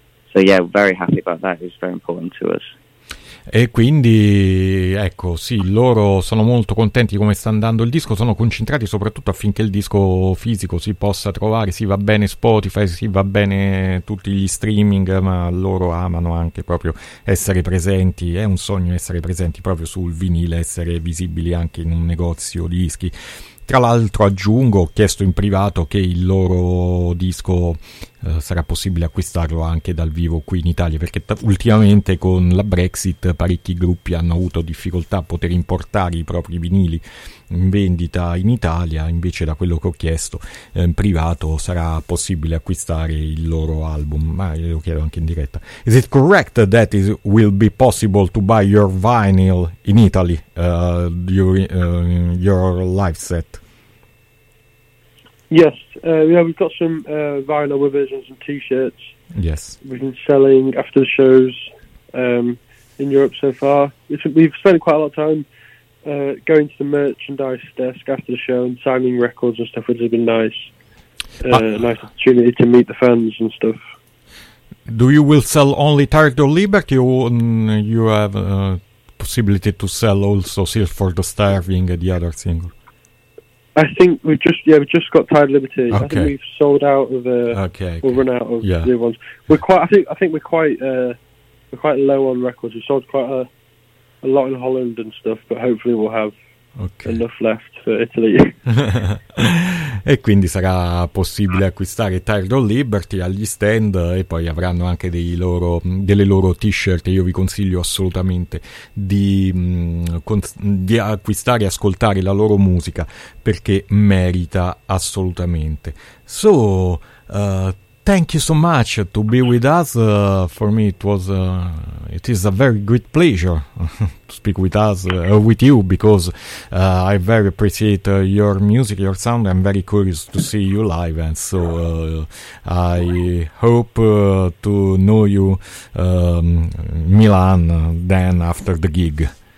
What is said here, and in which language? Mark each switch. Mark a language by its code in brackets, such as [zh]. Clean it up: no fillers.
[en] So yeah, very happy about that. It was very important to us. [it] E quindi, ecco, sì, loro sono molto contenti come sta andando il disco, sono concentrati soprattutto affinché il disco fisico si possa trovare, sì, va bene Spotify, sì, va bene tutti gli streaming, ma loro amano anche proprio essere presenti, è un sogno essere presenti proprio sul vinile, essere visibili anche in un negozio dischi. Tra l'altro aggiungo, ho chiesto in privato, che il loro disco sarà possibile acquistarlo anche dal vivo qui in Italia, perché ultimamente con la Brexit parecchi gruppi hanno avuto difficoltà a poter importare i propri vinili in vendita in Italia, invece da quello che ho chiesto in privato sarà possibile acquistare il loro album, ma glielo chiedo anche in diretta. [en] Is it correct that it will be possible to buy your vinyl in Italy during your live set? Yes, yeah, we've got some vinyl with us and some T-shirts. Yes, we've been selling after the shows in Europe so far. We've spent quite a lot of time going to the merchandise desk after the show and signing records and stuff, which has been nice. Nice opportunity to meet the fans and stuff. Do you will sell only Tired of Liberty, or you have a possibility to sell also Silk for the Starving, the other single? I think we've just got Tired Liberty. Okay. I think we've sold out of we've run out of new ones. We're quite low on records. We sold quite a lot in Holland and stuff, but hopefully we'll have enough left for Italy. [it] E quindi sarà possibile acquistare Tired of Liberty agli stand, e poi avranno anche delle loro t-shirt. Io vi consiglio assolutamente di acquistare e ascoltare la loro musica, perché merita assolutamente. [en] So thank you so much to be with us. For me it is a very great pleasure to speak with us, with you, because I very appreciate your music, your sound. I'm very curious to see you live, and so I hope to know you Milan then after the gig.